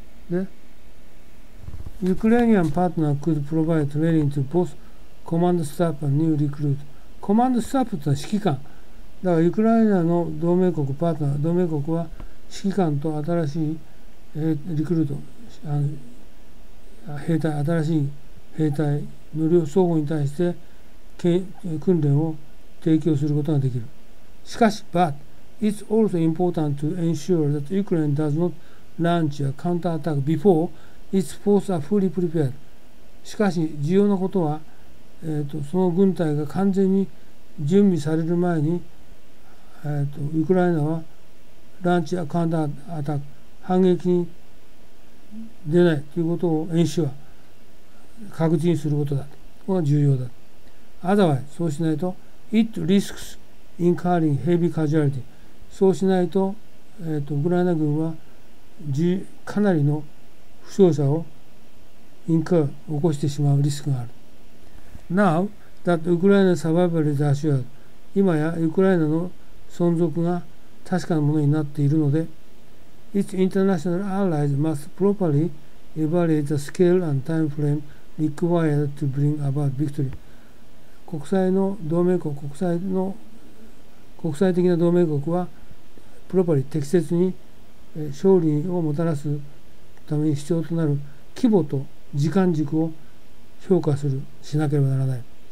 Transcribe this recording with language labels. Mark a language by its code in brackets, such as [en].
[en] で、Ukrainian partner could provide training to both command staff and new recruit. [ja] コマンドスタッフとは指揮官。だから、ウクライナの同盟国パートナー、同盟国は指揮官と新しい、リクルート、兵隊、新しい兵隊の双方に対して訓練を提供することができる。しかし、 [en] but it's also important to ensure that Ukraine does not launch a counterattack before its forces are fully prepared. [ja] しかし、重要なことは、その軍隊が完全に準備される前に、ウクライナはランチアカウンターアタック反撃に出ないということを演習は確実にすることだと、これが重要だ。 [en] Otherwise [ja] そうしないと [en] It risks incurring heavy casualty。 [ja] そうしないと、ウクライナ軍はかなりの負傷者を起こしてしまうリスクがある。 [en] Now that Ukraine's survival is assured, [ja] 今やウクライナの存続が確かなものになっているので、 [en] Its international allies must properly evaluate the scale and time frame required to bring about victory. [ja] 国際の同盟国、国際的な同盟国は、properly 適切に勝利をもたらすために必要となる規模と時間軸を評価するしなければならない。